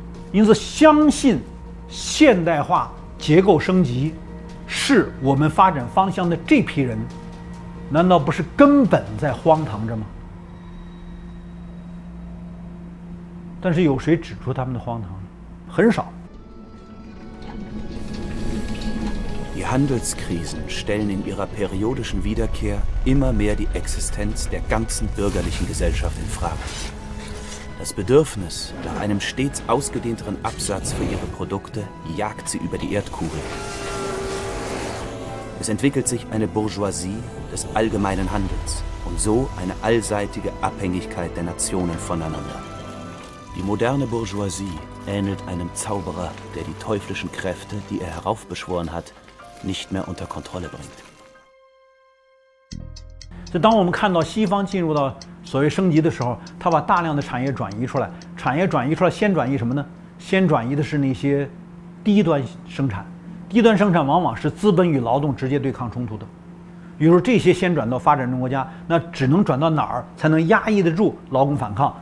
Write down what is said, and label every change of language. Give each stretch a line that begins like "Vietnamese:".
Chinese: 因此相信现代化结构升级是我们发展方向的这批人，难道不是根本在荒唐着吗？但是有谁指出他们的荒唐？很少。
German: Die Handelskrisen stellen in ihrer periodischen Wiederkehr immer mehr die Existenz der ganzen bürgerlichen Gesellschaft in Frage. Das Bedürfnis nach einem stets ausgedehnteren Absatz für ihre Produkte jagt sie über die Erdkugel. Es entwickelt sich eine Bourgeoisie des allgemeinen Handels und so eine allseitige Abhängigkeit der Nationen voneinander. Die moderne Bourgeoisie ähnelt einem Zauberer, der die teuflischen Kräfte, die er heraufbeschworen hat,nicht mehr unter Kontrolle bringt。
Chinese: 所以当我们看到西方进入到所谓升级的时候，他把大量的产业转移出来，产业转移出来先转移什么呢？先转移的是那些低端生产，低端生产往往是资本与劳动直接对抗冲突的，比如说这些先转到发展中国家，那只能转到哪儿才能压抑得住劳工反抗？